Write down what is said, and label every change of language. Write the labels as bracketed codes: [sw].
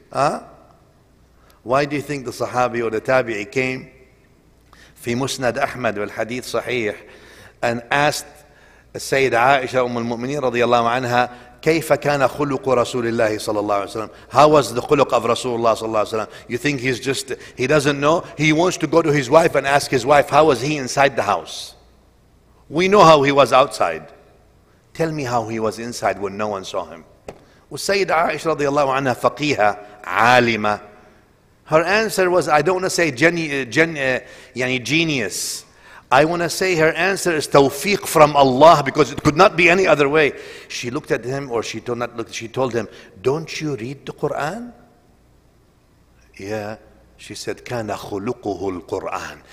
[en] Huh? Why do you think the Sahabi or the Tabi'i came, fi Musnad Ahmad wal Hadith Sahih, and asked Sayyidah Aisha Umm al-Mu'mineen radiyallahu anha, [ar] كيف كان خلق رسول الله صلى الله عليه وسلم? [en] How was the خلق of Rasulullah صلى الله عليه وسلم? You think he's just, he doesn't know? He wants to go to his wife and ask his wife, how was he inside the house? We know how he was outside. Tell me how he was inside when no one saw him. [ar] والسيدة عائشة رضي الله عنها فقيها عالمة. [en] Her answer was, I don't want to say genius. I want to say her answer is tawfiq from Allah, because it could not be any other way. She looked at him, or she told him, don't you read the Quran? Yeah. She said, [ar] kana khuluquhu al-Quran.